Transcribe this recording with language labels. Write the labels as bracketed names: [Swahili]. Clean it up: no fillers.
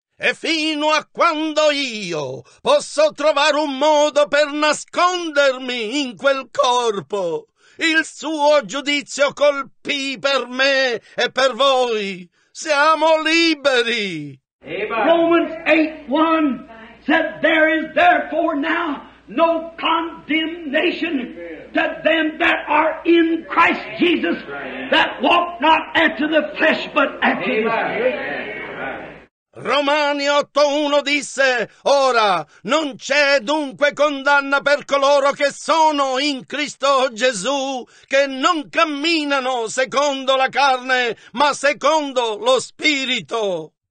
[Italian] E fino a quando io posso trovare un modo per nascondermi in quel corpo, il suo giudizio colpì per me e per voi. Siamo liberi. Amen. [English] Romans 8:1 said, there is therefore now no condemnation to them that are in Christ Jesus, that walk not after the flesh but after the Spirit. [Italian] Romani 8:1 disse, ora non c'è dunque condanna per coloro che sono in Cristo Gesù, che non camminano secondo la carne ma secondo lo Spirito.